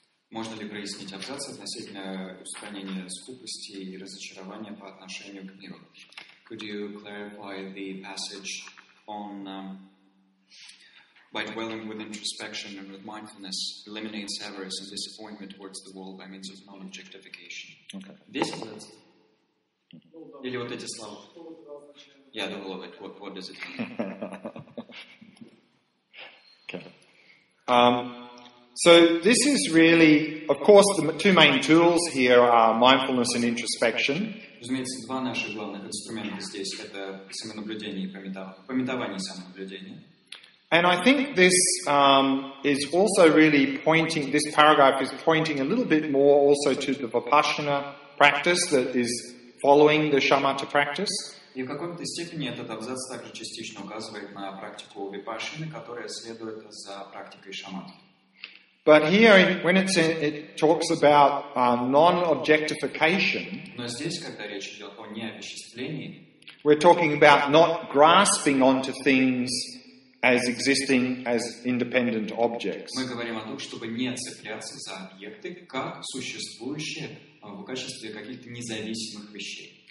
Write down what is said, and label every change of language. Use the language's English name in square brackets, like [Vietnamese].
[Russian] Можно ли прояснить абзац относительно устранения скупости и разочарования по отношению к миру? [English] Could you clarify the passage on by dwelling with introspection and with mindfulness eliminates avarice and disappointment towards the world by means of non-objectification? Okay. This is it? [Russian] Или вот эти слова? [English] Yeah, the whole of it. What does it mean? Okay. So this is really, of course, the two main tools here are mindfulness and introspection. [Russian] Разумеется, два наших главных инструмента здесь — это самонаблюдение и памятование самонаблюдения. [English] And I think this is also really pointing, this paragraph is pointing a little bit more also to the vipassana practice that is following the shamatha practice. [Russian] И в какой-то степени этот абзац также частично указывает на практику випашины, которая следует за практикой шамат. [English] But here, when it talks about non-objectification, [Russian] но здесь, когда речь идет о необесчисленении, [English] we're talking about not grasping onto things as existing as independent objects. [Russian] Мы говорим о том, чтобы не цепляться за объекты как существующие в качестве каких-то независимых вещей.